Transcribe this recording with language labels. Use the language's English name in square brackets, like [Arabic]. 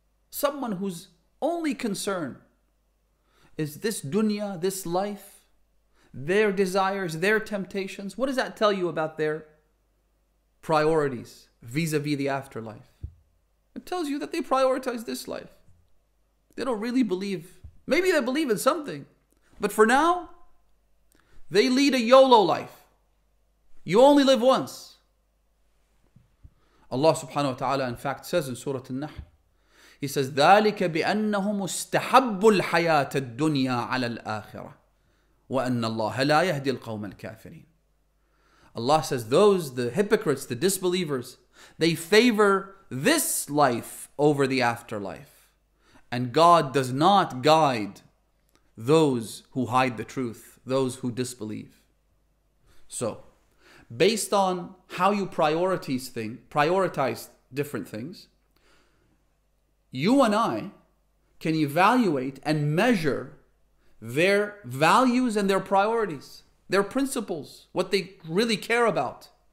[English] Someone whose only concern is this dunya, this life, their desires, their temptations, what does that tell you about their priorities vis-a-vis the afterlife? It tells you that they prioritize this life. They don't really believe. Maybe they believe in something, but for now, they lead a YOLO life. You only live once. Allah subhanahu wa ta'ala, in fact, says in Surah An-Nahl, He says, [Arabic] ذَلِكَ بِأَنَّهُمُ اسْتَحَبُّ الْحَيَاةَ الدُّنْيَا عَلَى الْآخِرَةِ وَأَنَّ اللَّهَ لَا يَهْدِي الْقَوْمَ الْكَافِرِينَ. [English] Allah says, those, the hypocrites, the disbelievers, they favor this life over the afterlife. And God does not guide those who hide the truth, those who disbelieve. So, based on how you prioritize different things, you and I can evaluate and measure their values and their priorities, their principles, what they really care about.